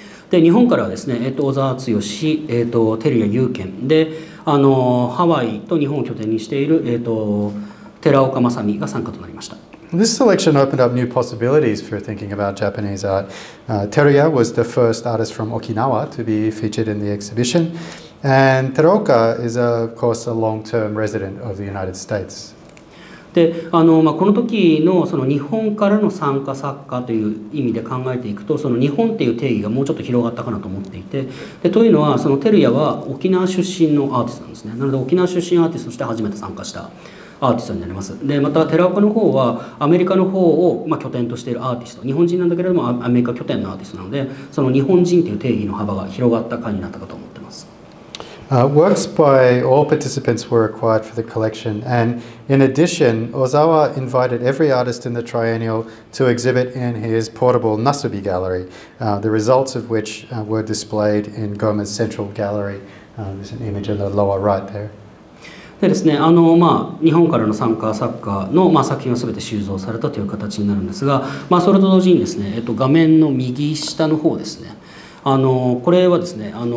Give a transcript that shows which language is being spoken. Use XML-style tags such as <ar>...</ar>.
<ja>で日本からはですね、小沢剛、照屋裕健でハワイと日本を拠点にしている、寺岡正美が参加となりました。</ja> <en>This selection opened up new possibilities for thinking about Japanese art. Teruya was the first artist from Okinawa to be featured in the exhibition. And Teruoka is of course a long-term resident of the United States.</en> <ja>でまあ、この時 の, その日本からの参加作家という意味で考えていくとその日本という定義がもうちょっと広がったかなと思っていて、でというのはそのテルヤは沖縄出身のアーティストなんですね。なので沖縄出身アーティストとして初めて参加したアーティストになります。でまた寺岡の方はアメリカの方を、まあ、拠点としているアーティスト、日本人なんだけれどもアメリカ拠点のアーティストなので、その日本人という定義の幅が広がった感じになったかと思ってます。</ja> <en>Works by all participants were acquired for the collection, and in addition, Ozawa invited every artist in the triennial to exhibit in his portable Nasubi Gallery, the results of which were displayed in GOMA's central gallery. There's an image on the lower right there.</en> <ja>でですね、まあ、日本からの参加作家の、まあ、作品は全て収蔵されたという形になるんですが、まあ、それと同時にですね、画面の右下の方ですね、これはですね、</ja>